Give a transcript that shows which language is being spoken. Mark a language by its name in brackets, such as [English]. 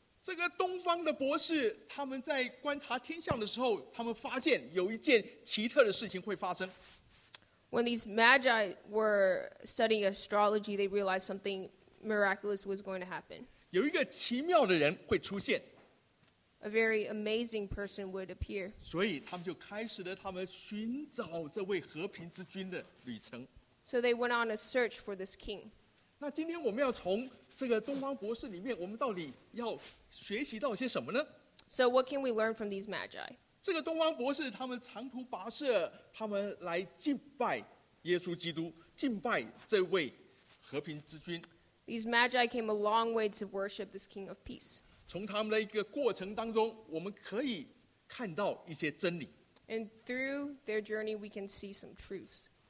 [Chinese] 这个东方的博士他们在观察天象的时候他们发现有一件奇特的事情会发生。 [English] When these magi were studying astrology, they realized something miraculous was going to happen. [Chinese] 有一个奇妙的人会出现。 [English] A very amazing person would appear. [Chinese] 所以他们就开始了他们寻找这位和平之君的旅程。 [English] So they went on a search for this king. [Chinese] 那今天我们要从这个东方博士里面，我们到底要学习到些什么呢？ [English] So what can we learn from these magi? [Chinese] 这个东方博士他们长途跋涉，他们来敬拜耶稣基督，敬拜这位和平之君。 [English] These magi came a long way to worship this king of peace. [Chinese] 从他们的一个过程当中，我们可以看到一些真理。 [English] And through their journey, we can see some truths.